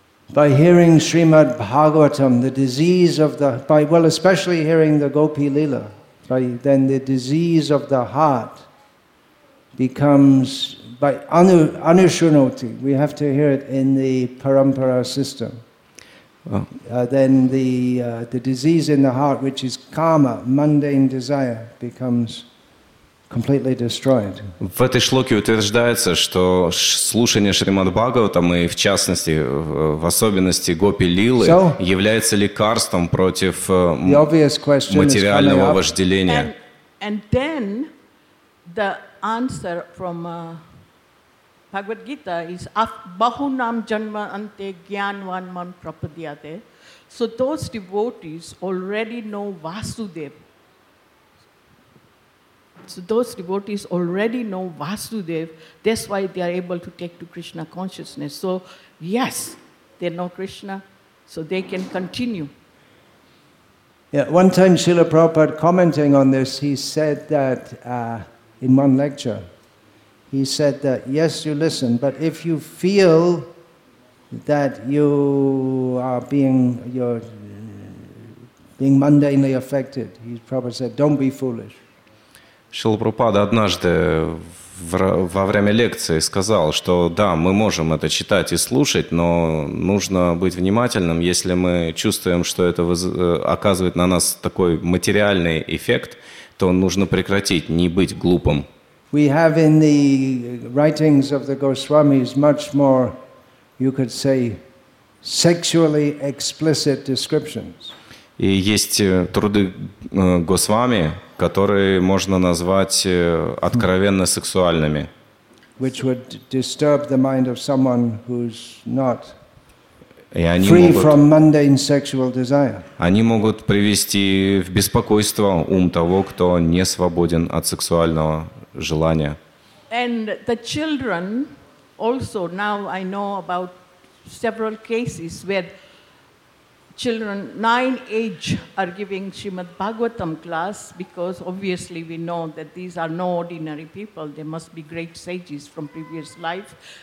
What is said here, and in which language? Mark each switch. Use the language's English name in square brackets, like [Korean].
[English] By hearing Srimad Bhagavatam, the disease of the especially hearing the Gopi Lila, then the disease of the heart becomes by anushrunoti. We have to hear it in the parampara system. Then the disease in the heart, which is karma, mundane desire, becomes completely destroyed. [Russian] В этой шлоке утверждается, что слушание Шримад Бхагаватам и в частности, в особенности Гопи Лилы является лекарством против материального вожделения. [English] And then the answer from Bhagavad Gita is bahunam janma ante gyanvan man prapadyate. So those devotees already know Vasudev. So those devotees already know Vasudev. That's why they are able to take to Krishna consciousness. So yes, they know Krishna, so they can continue. Yeah, one time Srila Prabhupada commenting on this, he said that in one lecture, he said that, yes, you listen, but if you feel that you're being mundanely affected, he probably said, don't be foolish. [Russian] Шрила Прабхупада однажды во время лекции сказал, что да, мы можем это читать и слушать, но нужно быть внимательным, если мы чувствуем, что это оказывает на нас такой материальный эффект, то нужно прекратить, не быть глупым. [English] We have in the writings of the Goswamis much more, you could say, sexually explicit descriptions. [Russian] И есть труды Госвами, которые можно назвать откровенно сексуальными. [English] Which would disturb the mind of someone who's not free from mundane sexual desire. [Russian] Они могут привести в беспокойство ум того, кто не свободен от сексуального желания. [English] And the children also, now I know about several cases where children 9 age are giving Srimad Bhagavatam class, because obviously we know that these are no ordinary people. They must be great sages from previous life.